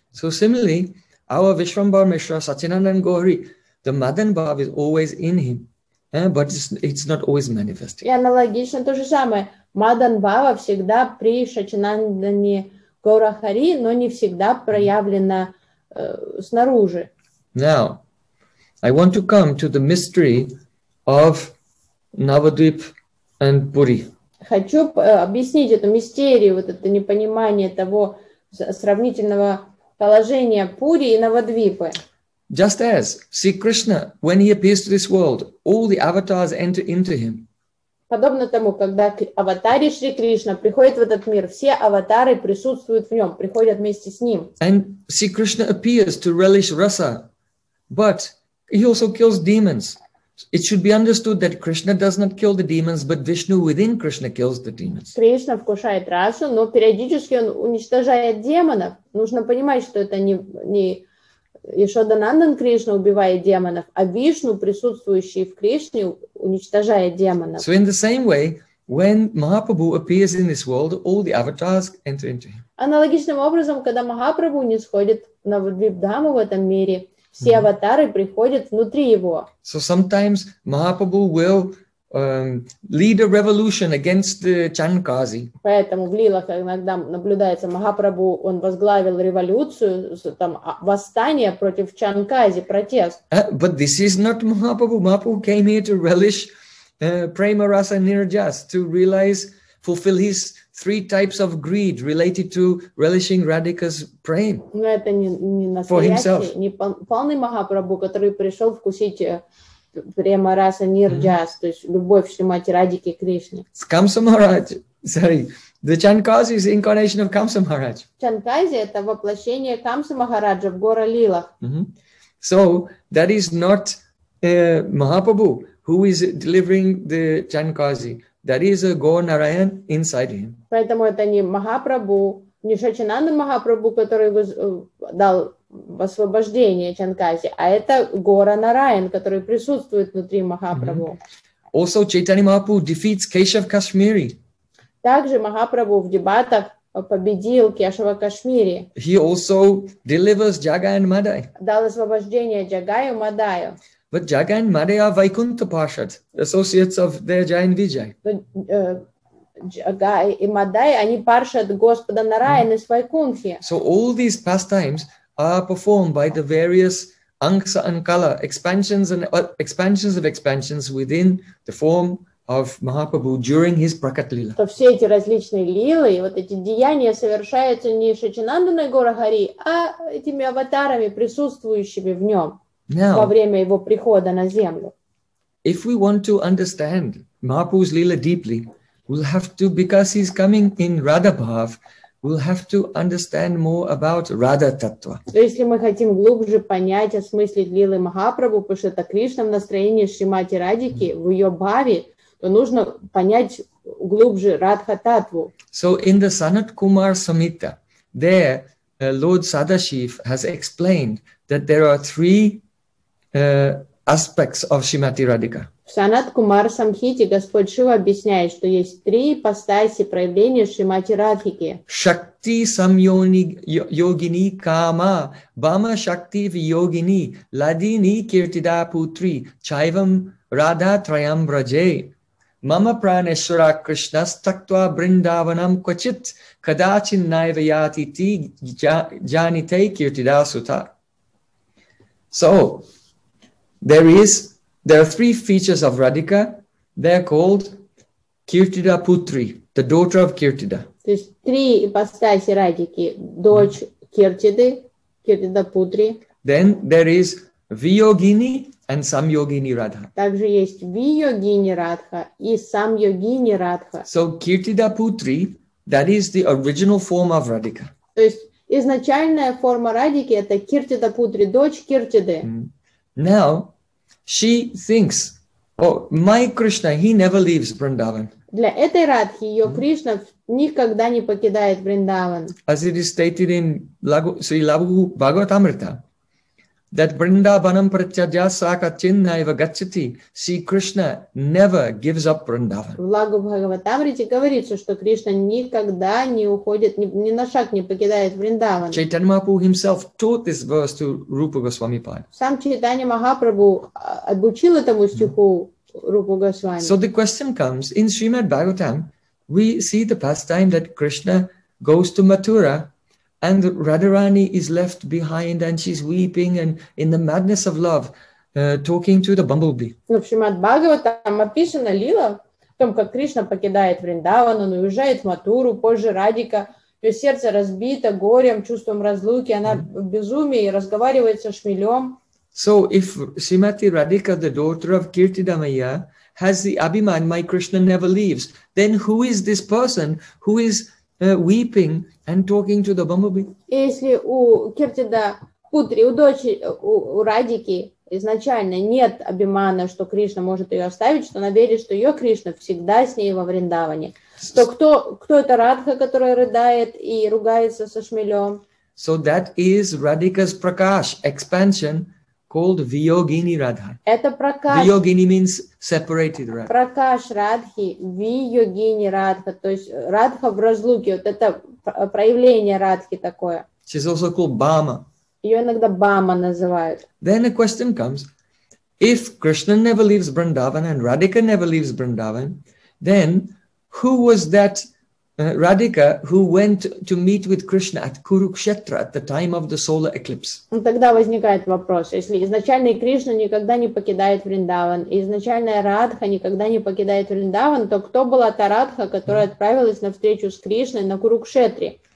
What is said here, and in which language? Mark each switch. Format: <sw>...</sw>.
<en>So similarly, our Vishwambar Mishra Satyananand Gauri, the Madan Bhav is always in him, but it's not always manifested.</en> <ru>И аналогично то же самое. Мадан Бава всегда при Шачинандане Гаурахари, но не всегда проявлена снаружи.</ru> <en>Now, I want to come to the mystery of Navadvip and Puri.</en> <ru>Хочу объяснить эту мистерию, вот это непонимание того сравнительного положения Пури и Навадвипы.</ru> <en>Just as see Krishna, when he appears to this world, all the avatars enter into him.</en> <ru>Подобно тому, когда аватари Шри Кришна приходят в этот мир, все аватары присутствуют в нем, приходят вместе с ним.</ru> <en>And see Krishna appears to relish rasa, but he also kills demons. It should be understood that Krishna does not kill the demons, but Vishnu within Krishna kills the demons.</en> <ru>Кришна вкушает расу, но периодически он уничтожает демонов. Нужно понимать, что это не Ишодананда Кришна убивает демонов, а Вишну, присутствующий в Кришне, уничтожает демонов.</ru> <en>So in the same way, when Mahaprabhu appears in this world, all the avatars enter into him.</en> <ru>Аналогичным образом, когда Махапрабху нисходит на Вадвипдхаму в этом мире, все аватары приходят внутри его.</ru> <en>So sometimes Mahaprabhu will lead a revolution against the Chankasi.</en> <ru>Поэтому в лилах иногда наблюдается Махапрабху, он возглавил революцию, там восстание против Чанкази, протест.</ru> <en>But this is not Mahaprabhu. Mahaprabhu came here to relish prema rasa nirjas, to realize, fulfill his three types of greed related to relishing Radhika's prem.</en> <ru>Но это не настоящий, не полный Махапрабху, который пришел вкусить према раса нирджас, то есть любовь Шримати Радхики Кришне.</ru> <en>Камса Махарадж, sorry, the Чанкази is the incarnation of Камса Махарадж.</en> <ru>Чанкази — это воплощение Камса Махараджа в гора лилах.</ru> <en>So that is not Mahaprabhu who is delivering the Чанкази. That is a Гор Нараян inside him.</en> <ru>Поэтому это не Махапрабху, не Шачинанда Махапрабху, который дал освобождение Чанкази, а это Гора Нараян, который присутствует внутри Махапрабху.</ru> <en>Also, Chaitanya Mahaprabhu defeats Keshav Kashmiri.</en> <ru>Также Махапрабху в дебатах победил Кешава Кашмири.</ru> <en>He also delivers Jagai and Madai.</en> <ru>Дал освобождение Джагаю и Мадаю.</ru> <en>But Jagai and Madai are Vaikuntha Parshad, associates of their Jain Vijay.</en> <ru>Джагай и Мадай, они паршат Господа Нараяна из Вайкунхи.</ru> <en>So all these pastimes are performed by the various Angsa and Kala, expansions and expansions of expansions within the form of Mahaprabhu during his Prakat Lila.</en> <ru>То все эти различные лилы, вот эти деяния совершаются не Шачинанданой Горахари, а этими аватарами, присутствующими в нем.</ru> <en>Now,</en> <ru>во время его прихода на землю.</ru> <en>If we want to understand Mahaprabhu's Lila deeply, we'll have to, because he's coming in Radha Bhav, we'll have to understand more about Radha Tattva.</en> <ru>То есть, если мы хотим глубже понять, осмыслить лилы Махапрабху, потому что это Кришна в настроении Шримати Радики, в ее бхаве, то нужно понять глубже Радха Таттву.</ru> <en>So in the Sanat Kumar Samhita, there Lord Sadashiv has explained that there are three aspects of Shrimati Radhika.</en> <ru>В Санат Кумар Самхите Господь Шива объясняет, что есть три ипостаси проявления Шримати Радхики.</ru> <sa>Шакти Самьони Йогини Кама Бама Шакти В Йогини Ладини Киртида Путри Чайвам Радха Траям Браже Мама Пранешвара Кришна Стактва Бриндаванам Квачит Кадачин Найва Яти Ти Джаните Киртида Сута.</sa> <en>So, there are three features of Radhika. They are called Kirtida Putri, the daughter of Kirtida.</en> <ru>То есть три ипостаси Радхики, дочь Киртиды, Киртида Путри.</ru> <en>Then there is Viyogini and Samyogini Radha.</en> <ru>Также есть Viyogini Radha и Samyogini Radha.</ru> <en>So Kirtida Putri, that is the original form of Radhika.</en> <ru>То есть изначальная форма Радхики — это Киртида Путри, дочь Киртиды.</ru> <en>Now, she thinks, oh, my Krishna, he never leaves Vrindavan.</en> <ru>Для этой Радхи, ее Кришна никогда не покидает Вриндаван.</ru> <en>As it is stated in Sri Lagu Bhagavatamrita, that</en> <sa>Vrindavanam pratyajya sakachinna eva gacchati,</sa> <en>Sri Krishna never gives up Vrindavan.</en> <ru>В Лагу Бхагаватамрите говорится, что Кришна никогда не уходит, ни на шаг не покидает Вриндаван.</ru> <en>Chaitanya Mahaprabhu himself taught this verse to Rupa Goswami Pai.</en> <ru>Сам Чайтанья Махапрабху обучил этому стиху Рупа Госвами.</ru> <en>So the question comes, in Srimad Bhagavatam, we see the pastime that Krishna goes to Mathura and Radharani is left behind and she's weeping and in the madness of love, talking to the bumblebee.</en> <ru>В общем, от Бхагавата там описана лила, в том, как Кришна покидает Вриндаван, он уезжает в Матуру, позже Радика, ее сердце разбито горем, чувством разлуки, она в безумии разговаривает со шмелем.</ru> <en>So if Srimati Radhika, the daughter of Kirtidamaya, has the abhiman, my Krishna never leaves, then who is this person who is weeping and talking to the bumblebee?</en> <ru>Если у Киртида Путри, у дочери, у Радики изначально нет абимана, что Кришна может ее оставить, что она верит, что ее Кришна всегда с ней во Вриндаване, то кто это Радха, которая рыдает и ругается со шмелем?</ru> <en>So that is Radhika's prakash, expansion, called Viyogini Radha.</en> <ru>Это прокаш.</ru> <en>Viyogini means separated Radha.</en> <ru>Прокаш Радхи, Viyogini Radha, то есть Радха в разлуке, вот это проявление Радхи такое.</ru> <en>She's also called Bama.</en> <ru>Ее иногда Бама называют.</ru> <en>Then a question comes, if Krishna never leaves Vrindavan and Radhika never leaves Vrindavan, then who was that Radhika who went to meet with Krishna at Kurukshetra at the time of the solar eclipse?</en> <ru>Ну, тогда возникает вопрос, если изначально Кришна никогда не покидает Вриндаван, и изначально Радха никогда не покидает Вриндаван, то кто была та Радха, которая отправилась на встречу с Кришной на Курукшетре?</ru>